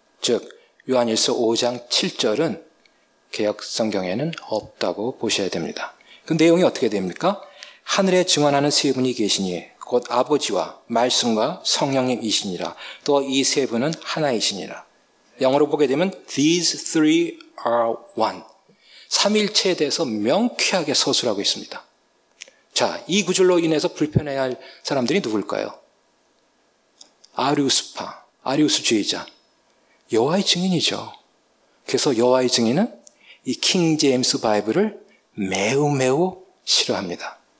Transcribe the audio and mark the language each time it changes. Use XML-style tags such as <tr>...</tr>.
<ko>즉 요한일서 5장 7절은 개역성경에는 없다고 보셔야 됩니다. 그 내용이 어떻게 됩니까? 하늘에 증언하는 세 분이 계시니 곧 아버지와 말씀과 성령님이시니라. 또 이 세 분은 하나이시니라. 영어로 보게 되면</ko> <en>These three are one.</en> <ko>삼일체에 대해서 명쾌하게 서술하고 있습니다. 자, 이 구절로 인해서 불편해할 사람들이 누굴까요? 아리우스파, 아리우스주의자, 여호와의 증인이죠. 그래서 여호와의 증인은 이 킹제임스 바이블을 매우 매우 싫어합니다.</ko>